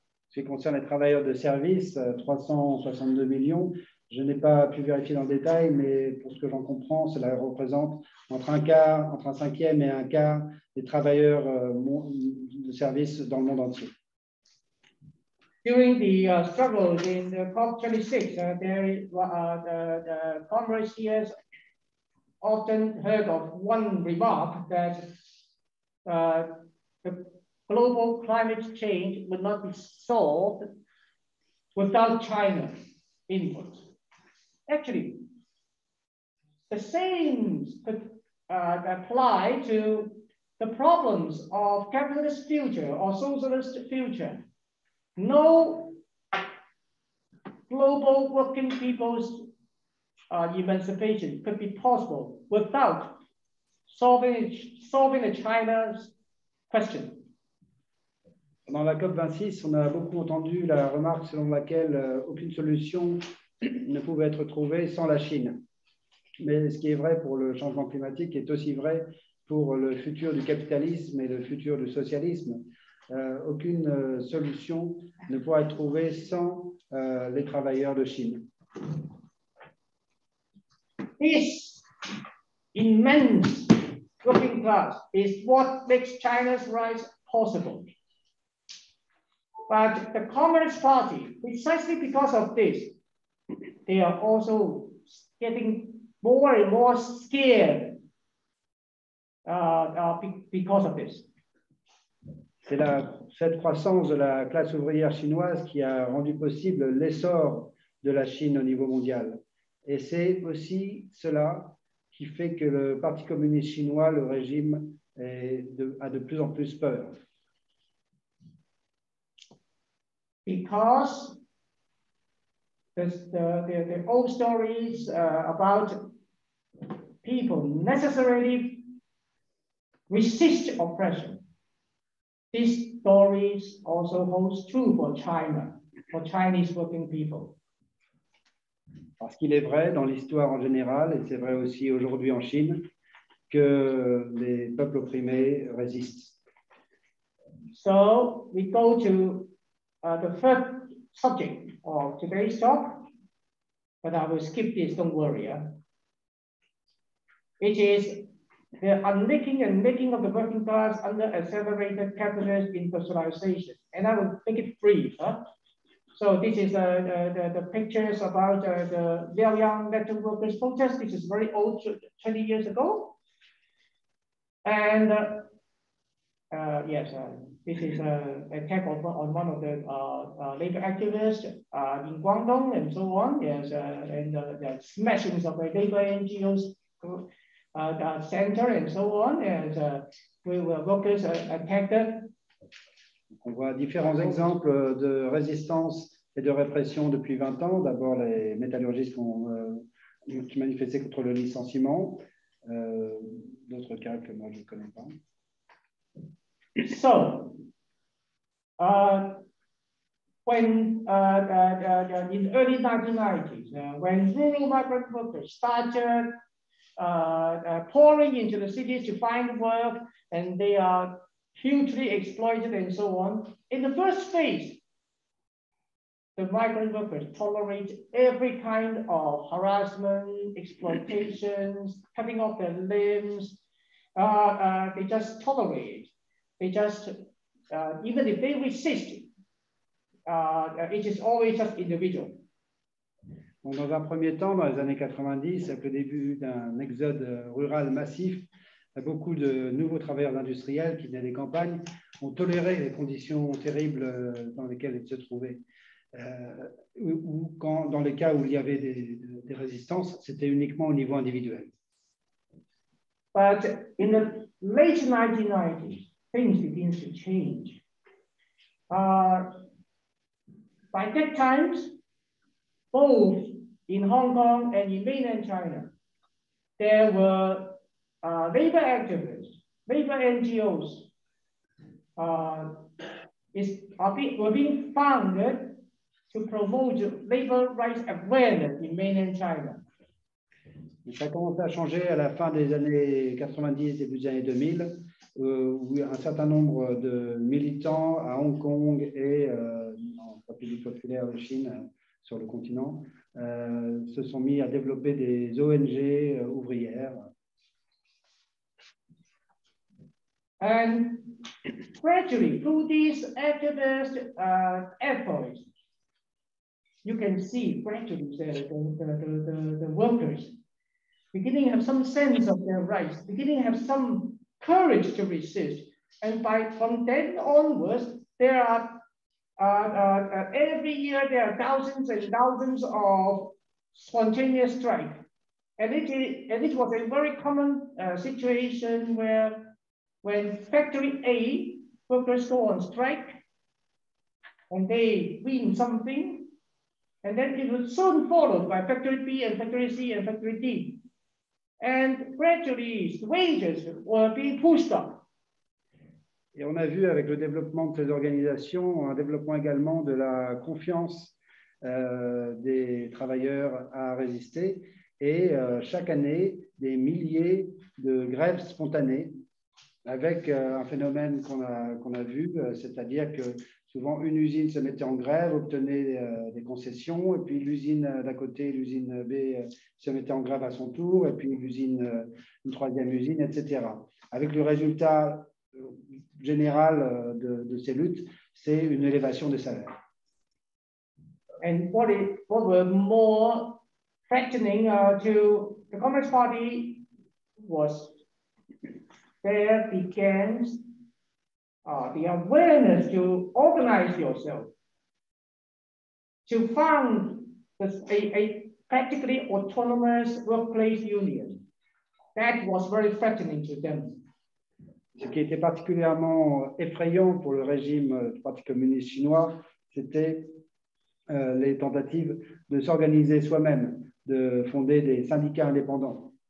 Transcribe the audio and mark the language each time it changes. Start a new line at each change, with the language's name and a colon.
French: Ce qui concerne les travailleurs de service, 362 millions, je n'ai pas pu vérifier dans le détail, mais pour ce que j'en comprends, cela représente entre un cinquième et un quart des travailleurs de service dans le monde entier.
English: During the struggle in the COP26, the Congress here often heard of one remark that the global climate change would not be solved without China's input. Actually, the same could apply to the problems of capitalist future or socialist future. No global working people's emancipation could be possible without solving the China's question.
French: Pendant la COP26, on a beaucoup entendu la remarque selon laquelle aucune solution ne pouvait être trouvée sans la Chine. Mais ce qui est vrai pour le changement climatique est aussi vrai pour le futur du capitalisme et le futur du socialisme. Aucune solution ne pourra être trouvée sans les travailleurs de Chine.
English: This immense working class is what makes China's rise possible. But the Communist Party, precisely because of this, they are also getting more and more scared because of this.
French: C'est la, cette croissance de la classe ouvrière chinoise qui a rendu possible l'essor de la Chine au niveau mondial. Et c'est aussi cela qui fait que le Parti communiste chinois, le régime, est de, a de plus en plus peur.
English: Because the old stories about people necessarily resist oppression, these stories also holds true for China, for Chinese working people.
French: Parce qu'il est vrai dans l'histoire en général, et c'est vrai aussi aujourd'hui en Chine, que les peuples opprimés résistent.
English: So we go to the third subject of today's talk, but I will skip this, don't worry. It is the unlinking and making of the working class under accelerated capitalist industrialization. And I will make it brief. So this is the pictures about the Liaoyang metal workers protest. This is very old, 20 years ago. And this is an attack on one of the labor activists in Guangdong and so on. Yes, and the smashing of the labor NGOs center and so on. And workers attacked.
French: On voit différents exemples de résistance et de répression depuis 20 ans. D'abord, les métallurgistes qui manifestaient contre le licenciement. D'autres cas que moi, je ne connais pas.
English: So, in the early 1990s, when rural migrant workers started pouring into the cities to find work, and they are hugely exploited and so on, in the first phase, the migrant workers tolerate every kind of harassment, exploitations, cutting off their limbs. They just tolerate. They just, even if they resist, it is always just individual.
French: Bon, dans un premier temps, dans les années 90, avec le début d'un exode rural massif, beaucoup de nouveaux travailleurs industriels qui venaient des campagnes ont toléré les conditions terribles dans lesquelles ils se trouvaient. Ou quand, dans les cas où il y avait des résistances, c'était uniquement au niveau individuel.
English: But in the late 1990s, things begin to change. By that time, both in Hong Kong and in mainland China, there were labor activists, labor NGOs, were being founded to promote labor rights awareness in mainland China.
French: Ça commence à changer à la fin des années 90, début des années 2000, où un certain nombre de militants à Hong Kong et en République populaire de Chine sur le continent se sont mis à développer des ONG ouvrières.
English: And gradually, through these activist efforts, you can see gradually the workers beginning to have some sense of their rights, beginning to have some courage to resist. And from then onwards, there are every year there are thousands and thousands of spontaneous strikes. And it was a very common situation where when factory A workers go on strike and they win something, and then it was soon followed by factory B and factory C and factory D. And gradually, wages were being pushed up.
French: Et on a vu avec le développement de ces organisations un développement également de la confiance des travailleurs à résister. Et chaque année, des milliers de grèves spontanées avec un phénomène qu'on a vu, c'est-à-dire que souvent une usine se mettait en grève, obtenait des concessions, et puis l'usine d'à côté, l'usine B, se mettait en grève à son tour, et puis une troisième usine, etc. Avec le résultat général de ces luttes, c'est une élévation des salaires.
English: And what were more threatening to the Communist Party was there began the awareness to organize yourself, to found a practically autonomous workplace union. That was very threatening to them.
French: Ce qui était particulièrement effrayant pour le régime du Parti communiste chinois, c'était les tentatives de s'organiser soi-même, de fonder des syndicats indépendants.